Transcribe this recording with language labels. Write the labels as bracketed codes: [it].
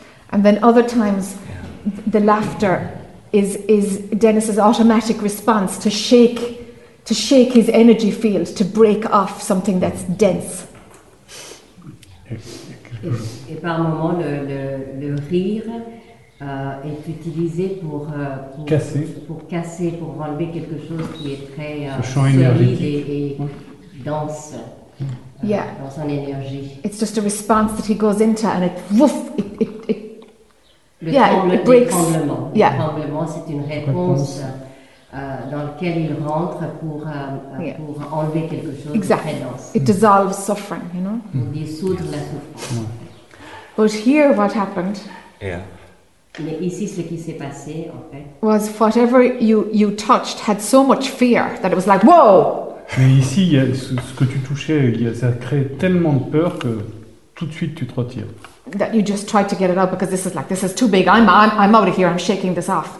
[en] And then other times, the laughter is Dennis's automatic response to shake his energy field, to break off something that's dense. [fr] Et par moment, le rire est utilisé pour enlever quelque chose qui est très solide et dense. [en] Yeah. [fr] Dans son énergie. [en] It's just a response that he goes into, and it woof. It breaks. [fr] Tremblement. [en] Yeah. [fr] Le tremblement, c'est une réponse dans laquelle il rentre pour enlever quelque chose. [en] Exactly. [fr] De très dense. [en] It dissolves suffering, you know. [fr] Pour dissoudre la souffrance. Mm. [en] But here, what happened? Yeah. [fr] Mais ici, ce qui s'est passé, en fait, [en] was whatever you touched had so much fear that it was like whoa. [fr] Mais ici, il y a ce que tu touchais, ça crée tellement de peur que tout de suite tu te retires. [en] That you just tried to get it out because this is too big. I'm out of here. I'm shaking this off.